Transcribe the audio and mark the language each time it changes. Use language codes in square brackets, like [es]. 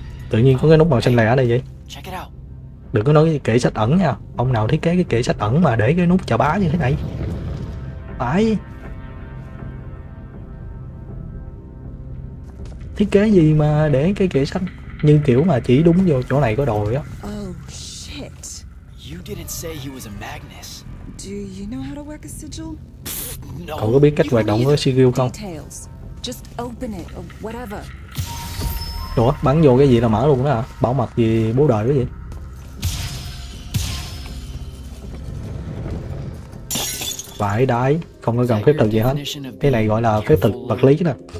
[vi] Tự nhiên có cái nút màu xanh lẻ ở đây vậy? Đừng có nói cái kệ sách ẩn nha. Ông nào thiết kế cái kệ sách ẩn mà để cái nút chà bá như thế này. Phải. Thiết kế gì mà để cái kệ sách như kiểu mà chỉ đúng vô chỗ này có đồ á. [en] Oh shit. You didn't say he was a Magnus. Do you know how to work a sigil? [vi] Cậu có biết cách hoạt động với sigil không? [en] Just open it or whatever. [vi] Ủa, bắn vô cái gì là mở luôn đó hả? Bảo mật gì bố đời cái gì? Phải đái, không có cần phép thuật gì hết. Cái này gọi là phép thuật vật lý nè.